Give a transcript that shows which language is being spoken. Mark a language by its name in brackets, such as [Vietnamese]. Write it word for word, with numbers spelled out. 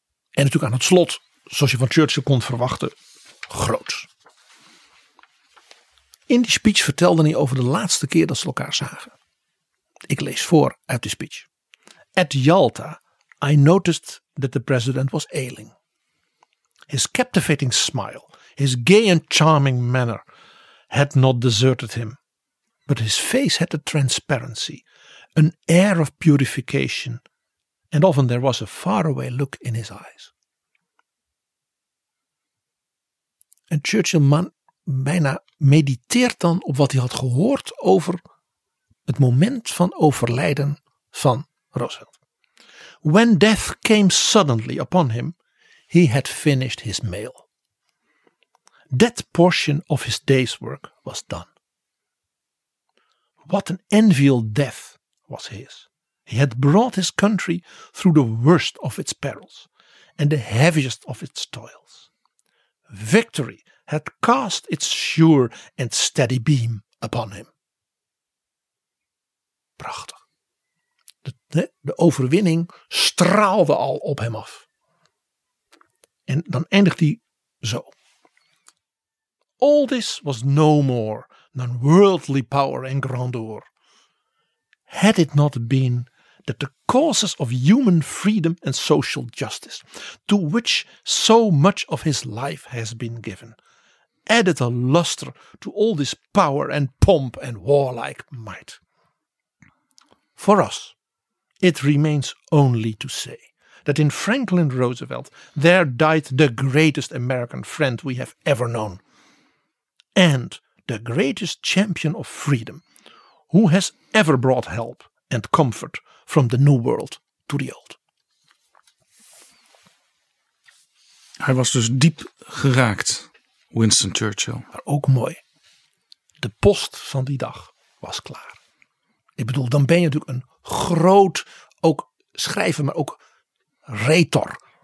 [Dutch] En natuurlijk aan het slot, zoals je van Churchill kon verwachten, groots. In die speech vertelde hij over de laatste keer dat ze elkaar zagen. Ik lees voor uit de speech. [English] At Yalta, I noticed that the president was ailing. His captivating smile, his gay and charming manner had not deserted him, but his face had a transparency, an air of purification, and often there was a faraway look in his eyes. [Dutch] En Churchill man, bijna mediteert dan op wat hij had gehoord over het moment van overlijden van Roosevelt. [English] When death came suddenly upon him, he had finished his meal. That portion of his day's work was done. What an enviable death was his. He had brought his country through the worst of its perils and the heaviest of its toils. Victory had cast its sure and steady beam upon him. [Dutch] Prachtig. De, de, de overwinning straalde al op hem af. En dan eindigt hij zo. [English] All this was no more than worldly power and grandeur, had it not been that the causes of human freedom and social justice, to which so much of his life has been given, added a luster to all this power and pomp and warlike might. For us, it remains only to say that in Franklin Roosevelt there died the greatest American friend we have ever known, and the greatest champion of freedom who has ever brought help and comfort from the new world to the old. [Dutch] Hij was dus diep geraakt, Winston Churchill. Maar ook mooi. De post van die dag was klaar. Ik bedoel, dan ben je natuurlijk een groot, ook schrijver, maar ook retor.